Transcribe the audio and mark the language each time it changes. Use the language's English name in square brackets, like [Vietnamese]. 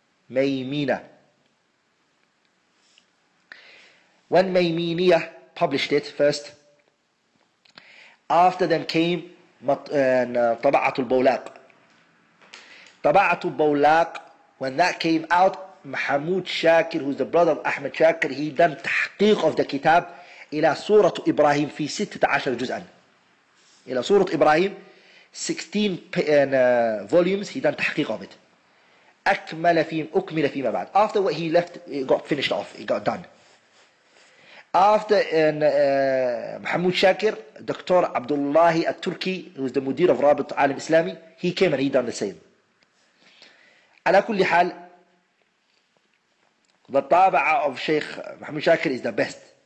[English] When Maymina published it first, after them came Taba'atul Bawlaq. Taba'atul Bawlaq, when that came out, Mahmoud Shakir, who's the brother of Ahmed Shakir, he done tahqiq of the kitab ila Surah Ibrahim fi 16 juz'an. [Arabic] إلى سورة إبراهيم 16 volumes. He done تحقيق of it. أكمل فيما أكمل فيما بعد. [English] After what he left, it got finished off. It got done. After محمود شاكر, doctor عبد الله التركي, who is the مدير of رابط عالم إسلامي, he came and he done the same. على كل حال, the طابعة of شيخ محمود شاكر is the best.